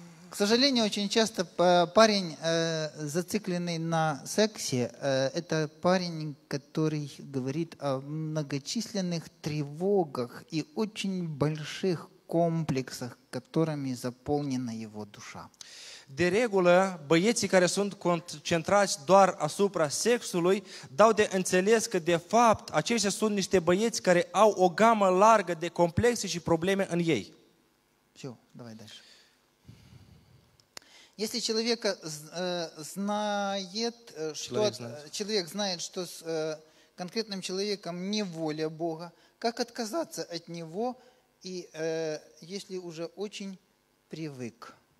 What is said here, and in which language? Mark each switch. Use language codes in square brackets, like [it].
[ru] К сожалению, очень часто парень, зацикленный на сексе, это парень, который говорит о многочисленных тревогах и очень больших комплексах, которыми заполнена его душа. [ro] De regulă, băieții care sunt concentrați doar asupra sexului dau de înțeles că, de fapt, aceștia sunt niște băieți care au o gamă largă de complexe și probleme în ei. [ru] Все, давай дальше. Если человек знает, человек знает, что с конкретным человеком не воля Бога, как отказаться от него, и если уже очень привык?